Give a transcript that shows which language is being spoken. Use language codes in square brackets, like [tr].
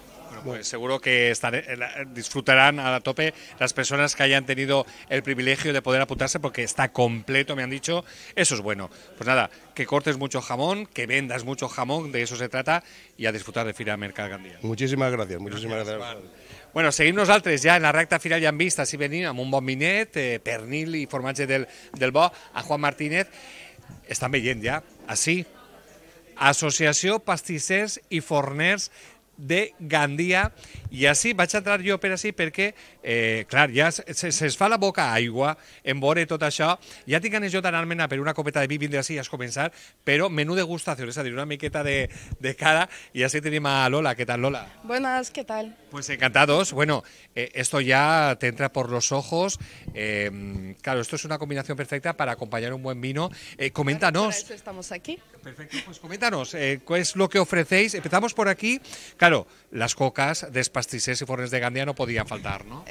[es] Bueno, pues seguro que disfrutarán a la tope las personas que hayan tenido el privilegio de poder apuntarse porque está completo, me han dicho. Eso es bueno. Pues nada, que cortes mucho jamón, que vendas mucho jamón, de eso se trata, y a disfrutar de Fira Mercat Gandia. Muchísimas gracias, muchísimas gracias. Gracias. [ca] Bueno, seguimos altres ja en la recta final ja en vista, si venim amb un bon vinet, pernil i formatge del bo, a Juan Martínez. Estan veient ja, així, Associació Pastissers i Forners de Gandia. I així vaig entrar jo per així perquè, clar, ja se'ns fa la boca aigua en veure tot això. Ja tinc ganes jo d'anar-me per una copeta de vi, vindre així i has començat, però menú degustació, és a dir, una miqueta de cara. I així tenim a Lola. Què tal, Lola? Buenas, què tal? [es] Pues encantados. Bueno, esto ya te entra por los ojos. Claro, esto es una combinación perfecta para acompañar un buen vino. Coméntanos. Para eso estamos aquí. Perfecto, pues coméntanos, ¿qué es lo que ofrecéis? Empezamos por aquí. Claro, las cocas, despastisés y fornes de Gandia no podían faltar, ¿no?